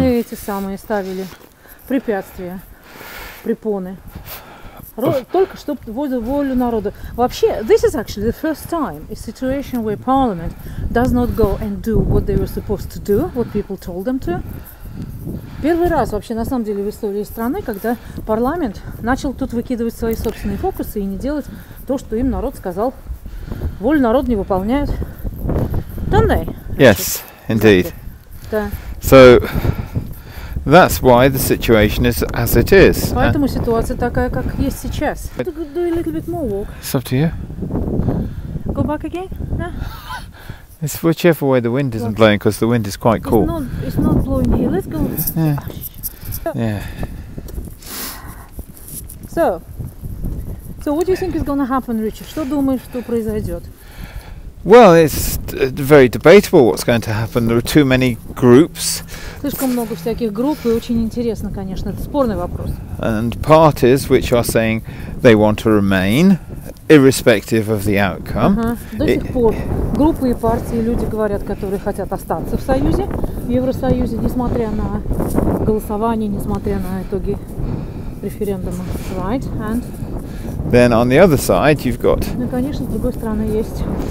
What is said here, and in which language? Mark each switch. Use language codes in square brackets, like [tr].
[ru] Всевозможные эти самые ставили препятствия, препоны. Только чтобы волю народа. [en] Вообще, this is actually the first time a situation where Parliament does not go and do what they were supposed to do, what people told them to. [ru] Первый раз вообще на самом деле в истории страны, когда парламент начал тут выкидывать свои собственные фокусы и не делать то, что им народ сказал. Волю народ не выполняют. [en] Don't they? Yes, indeed. [ru] Да. [en] So that's why the situation is as it is. [ru] Поэтому ситуация такая, как есть сейчас. [en] Do a little bit more walk. It's up to you. Go back again? No? It's whichever way the wind isn't blowing, because the wind is quite cool. It's not blowing here. Let's go. Yeah. So what do you think is going to happen, Richard? [ru] Что думаешь, что произойдет? [en] Well, it's very debatable what's going to happen. There are too many groups. [ru] Слишком много всяких групп, и очень интересно, конечно, это спорный вопрос. [en] And parties which are saying they want to remain. Irrespective of the outcome. [ru] До сих пор группы и партии, люди говорят, которые хотят остаться в Союзе, в Евросоюзе, несмотря на голосование, несмотря на итоги референдума. [en] Right? And then on the other side you've got [ru] ну, конечно, с другой стороны есть